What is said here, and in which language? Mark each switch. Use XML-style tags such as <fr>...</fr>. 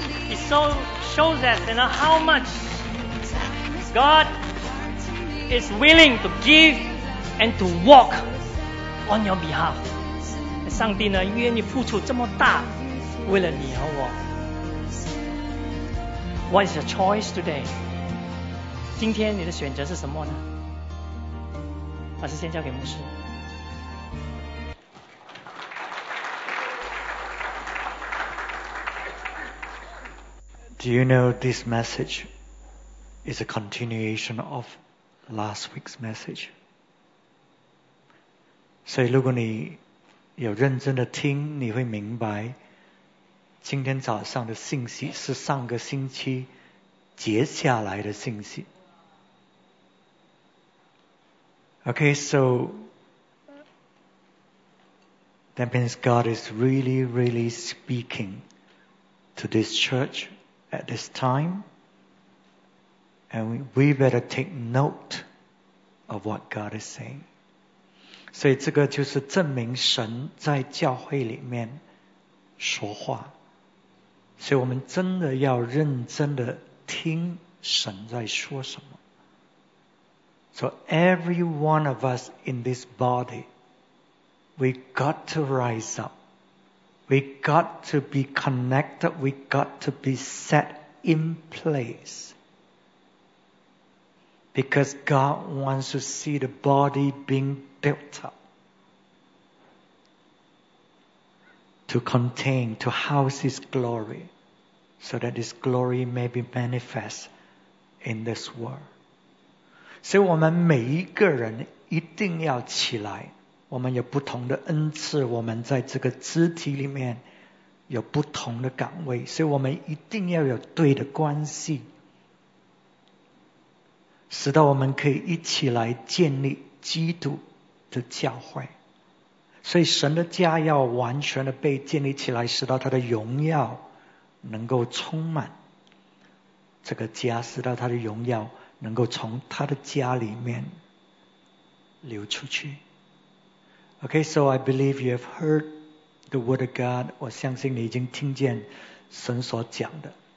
<en>It so shows us, you know, how much God is willing to give and to walk on your behalf.</en> <zh>上帝呢，愿意付出这么大，为了你和我。</zh> <en>What is your choice today?</en> <zh>今天你的选择是什么呢？把时间交给牧师。</zh> <en>Do you know this message is a continuation of last week's message?</en> <zh>所以如果你有认真的听，你会明白今天早上的信息是上个星期接下来的信息。</zh> <en>Okay, so that means God is really, really speaking to this church at this time, and we better take note of what God is saying.</en> <zh>所以这个就是证明神在教会里面说话，所以我们真的要认真的听神在说什么。</zh> <en>So every one of us in this body, we got to rise up, we got to be connected, we got to be set in place, because God wants to see the body beingbuilt up to contain, to house his glory, so that his glory may be manifest in this world.</en> <zh>所以我们每一个人一定要起来，我们有不同的恩赐，我们在这个肢体里面有不同的岗位，所以我们一定要有对的关系，使得我们可以一起来建立基督的教会。所以神的家要完全的被建立起来，使到他的荣耀能够充满，这个家，使到他的荣耀能够从他的家里面流出去。</zh> <en>Okay, so I believe you have heard the word of God.</en> <zh>我相信你已经听见神所讲的。</zh>